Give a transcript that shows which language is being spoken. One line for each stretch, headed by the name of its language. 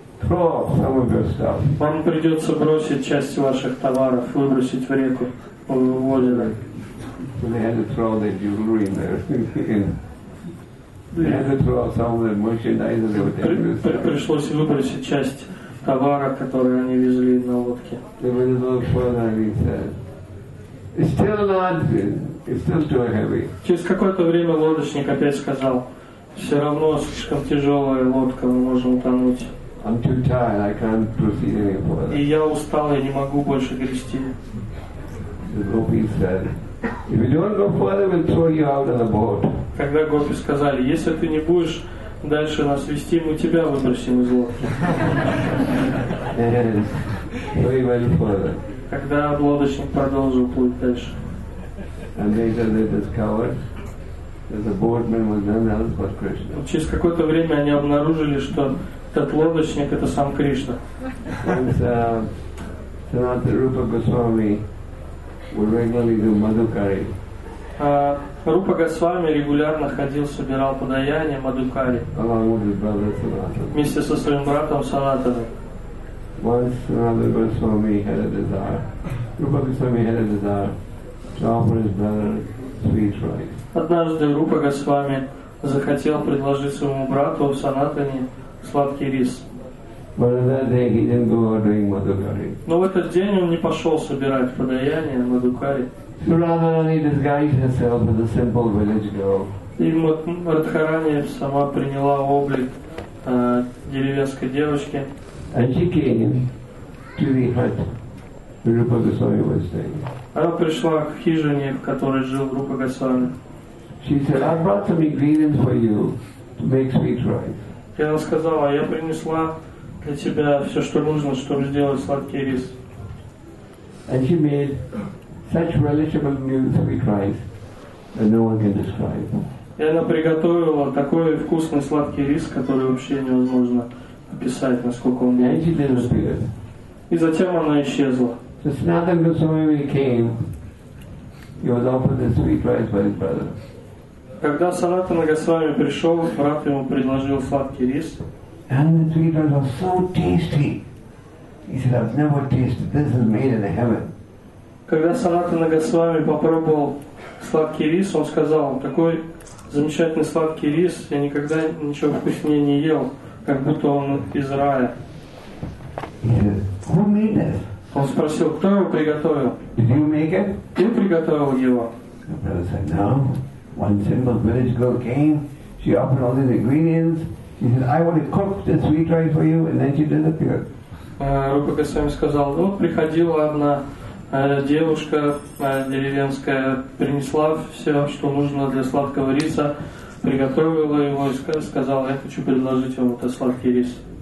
Russian: Вам придется бросить часть ваших товаров, выбросить в реку, в озеро.
English: They had to throw the jewelry in there. They had to throw some of the merchandise.
Russian: Пришлось выбросить часть товара, который они везли на лодке.
English: They went a little further and he said, "It's still not, it's still too heavy."
Russian: Через какое-то время лодочник опять сказал, "Все равно слишком тяжелая лодка, мы можем утонуть."
English: I'm too tired. I can't proceed any further.
Russian: И я устал, я не могу больше грести.
English: The gopi said, "If you don't go further, we'll throw you out of the boat."
Russian: Когда гопи сказали, если ты не будешь дальше нас вести, мы тебя выбросим из лодки.
English: Yes. So he went further.
Russian: Когда лодочник продолжил плыть дальше.
English: And later they discovered that the boatman was none else but Krishna.
Russian: Через какое-то время они обнаружили, что этот лодочник — это сам Кришна.
English: Санатана Рупа Госвами would regularly do Madhukari.
Russian: Рупа Госвами регулярно ходил, собирал подаяние Мадхукари.
English: Along with his brother Sanatana.
Russian: Вместе со своим братом Санатаной.
English: Once Санатана Госвами had a desire, Рупа Госвами had a desire to offer his brother sweet rice.
Russian: Однажды Рупа Госвами захотел предложить своему брату Санатане сладкий рис.
English: But on that day he didn't go out doing Madhukari.
Russian: Но в этот день он не пошел собирать подаяние Мадхукари.
English: So Radharani disguised herself as a simple village girl.
Russian: И Радхарани сама приняла облик деревенской девочки.
English: And she came to the hut where Rupa Goswami was staying.
Russian: Она пришла к хижине, в которой жил Рупа Госвами.
English: She said, "I brought some ingredients for you to make sweet rice."
Russian: И она сказала, я принесла для тебя все, что нужно, чтобы сделать сладкий рис.
English: And she made such relishable new sweet rice that no one can describe.
Russian: И она приготовила такой вкусный сладкий рис, который вообще невозможно описать, насколько он был.
English: And she disappeared.
Russian: И затем она исчезла.
English: So Sanatana Goswami came, he was offered the sweet rice by his brother.
Russian: Когда Санатана Госвами пришел, брат ему предложил сладкий рис.
English: And the sweet rice was so tasty. He said, "I've never tasted this. This is made in heaven."
Russian: Когда Санатана Госвами попробовал сладкий рис, он сказал, "Такой замечательный сладкий рис, я никогда ничего вкуснее не ел, как будто он из рая."
English: He said, "Who made this?"
Russian: Он спросил, "Кто его приготовил?"
English: "Did you make it?"
Russian: "Ты приготовил его?"
English: The brother said, "No. One simple village girl came, she offered all these ingredients, she said, 'I want to cook the sweet rice for you,' and then she disappeared."
Russian: Рупа Госвами сказал, ну, приходила одна девушка деревенская, принесла все, что нужно для сладкого риса, приготовила его и сказала, я хочу предложить вам этот сладкий рис.